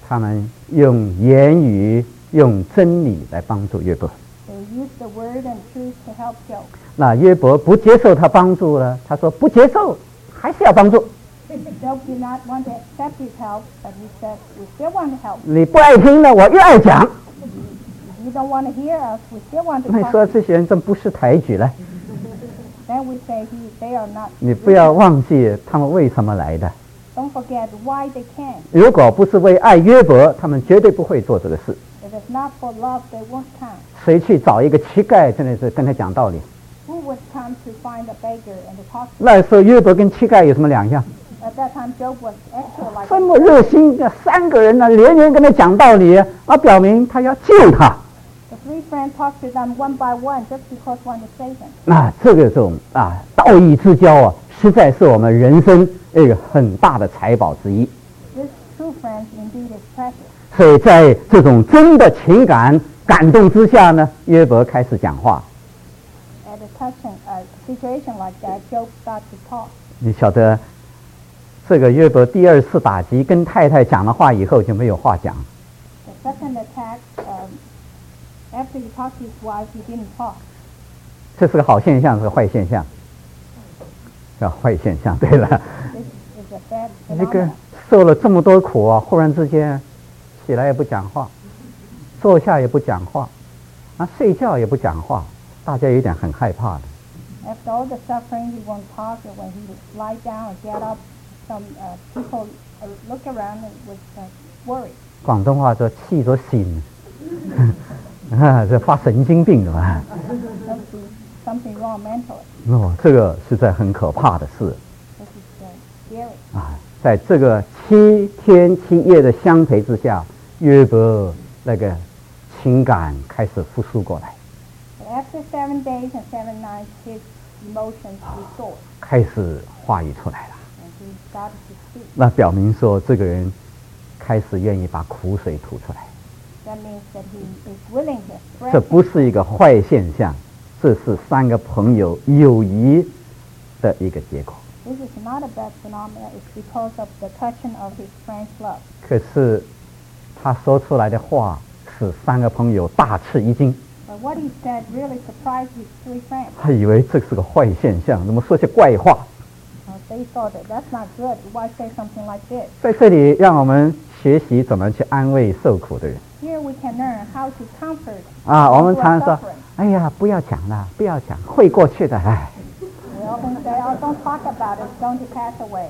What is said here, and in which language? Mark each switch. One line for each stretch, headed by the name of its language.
Chinese: 他们用言语、用真理来帮助约伯。
English: They used the word and truth to help Job.
Chinese: 那约伯不接受他帮助了，他说不接受，还是要帮助。
English: Job did not want to accept his help, but he said we still want to help.
Chinese: 你不爱听了，我又爱讲。
English: If you don't want to hear us, we still want to talk.
Chinese: 那你说这些人真不识抬举了。
English: Then we say they are not.
Chinese: 你不要忘记他们为什么来的。
English: Don't forget why they came.
Chinese: 如果不是为爱约伯，他们绝对不会做这个事。
English: If it's not for love, they won't come.
Chinese: 谁去找一个乞丐，真的是跟他讲道理
English: ？Who would come to find a beggar and talk?
Chinese: 那时候约伯跟乞丐有什么两样
English: ？At that time, Job was actually like.
Chinese: 这么热心，三个人呢，连连跟他讲道理，那表明他要救他。
English: Three friends talk to them one by one, just because one is saved.
Chinese: 那这个种啊，道义之交啊，实在是我们人生一个很大的财宝之一。
English: This true friend indeed is precious.
Chinese: 所以在这种真的情感感动之下呢，约伯开始讲话。
English: At a touching situation like that, Job starts to talk.
Chinese: 你晓得，这个约伯第二次打击跟太太讲了话以后就没有话讲。
English: The second attack. After he talked to his wife, he didn't talk.
Chinese: 这是个好现象，是个坏现象。叫坏现象，对了。那个受了这么多苦啊，忽然之间起来也不讲话，坐下也不讲话，啊，睡觉也不讲话，大家有点很害怕的。
English: After all the suffering, he won't talk. When he lie down or get up, some people look around and was worried.
Chinese: 广东话说气着心。啊，这发神经病了吧
English: ？Something wrong mentally.
Chinese: 哦，这个是在很可怕的事。
English: This is scary.
Chinese: 啊，在这个七天七夜的相陪之下，约伯那个情感开始复苏过来。
English: But、after 7 days and 7 nights, his emotions restored.、啊、
Chinese: 开始话语出来了。
English: And he started to speak.
Chinese: 那表明说，这个人开始愿意把苦水吐出来。
English: That means that he is willing to express.
Chinese: 这不是一个坏现象，这是三个朋友友谊的一个结果。
English: This is not a bad phenomenon. It's because of the touching of his friend's love.
Chinese: 可是他说出来的话使三个朋友大吃一惊。
English: But what he said really surprised his three friends.
Chinese: 他以为这是个坏现象，怎么说些怪话
English: ？They thought that that's not good. Why say something like this?
Chinese: 在这里，让我们学习怎么去安慰受苦的人。
English: Here we can learn how to comfort.
Chinese: 啊，我们常说，哎呀，不要讲了，不要讲，会过去的，哎。
English: We often say, "Oh, don't talk about it. It's going to pass away."